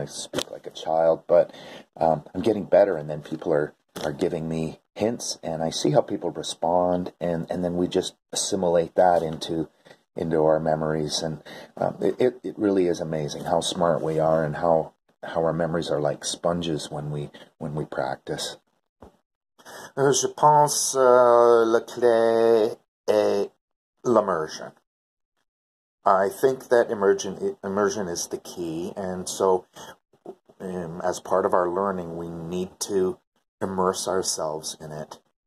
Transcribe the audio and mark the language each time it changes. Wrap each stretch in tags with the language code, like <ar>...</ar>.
<en>I speak like a child, but I'm getting better, and then people are giving me hints, and I see how people respond, and then we just assimilate that into our memories, and it really is amazing how smart we are, and how our memories are like sponges when we practice.</en> <fr>Je pense la clé est l'immersion.</fr> <en>I think that immersion is the key, and so as part of our learning, we need to immerse ourselves in it.</en>